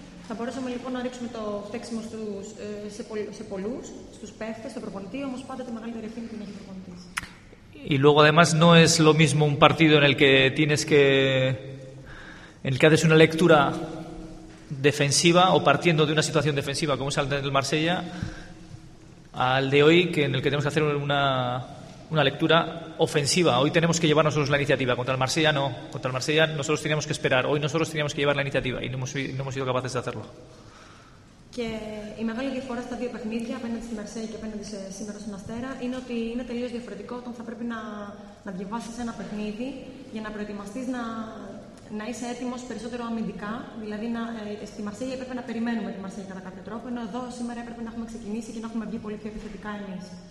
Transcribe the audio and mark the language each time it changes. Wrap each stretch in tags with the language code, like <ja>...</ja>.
<el>Θα μπορέσαμε λοιπόν να ρίξουμε το φταίξιμο σε πολλούς, στους παίχτες, στον προπονητή, όμως πάντα τη μεγαλύτερη ευθύνη την έχει ο προπονητής.</el> <es>Y luego además no es lo mismo un partido en el que tienes que en el que haces una lectura defensiva o partiendo de una situación defensiva como es el del Marsella al de hoy, que en el que tenemos que hacer una lectura ofensiva. Hoy tenemos que llevar nosotros la iniciativa, contra el Marsella no, contra el Marsella nosotros teníamos que esperar, hoy nosotros teníamos que llevar la iniciativa y no hemos sido capaces de hacerlo.</es> <el>Και η μεγάλη διαφορά στα δύο παιχνίδια, απέναντι στη Μαρσέη και απέναντι σήμερα στον Αστέρα, είναι ότι είναι τελείως διαφορετικό όταν θα πρέπει να διαβάσεις ένα παιχνίδι για να προετοιμαστείς να είσαι έτοιμος περισσότερο αμυντικά. Δηλαδή, στη Μαρσέη έπρεπε να περιμένουμε τη Μαρσέη κατά κάποιο τρόπο, ενώ εδώ σήμερα έπρεπε να έχουμε ξεκινήσει και να έχουμε βγει πολύ πιο επιθετικά εμείς.</el>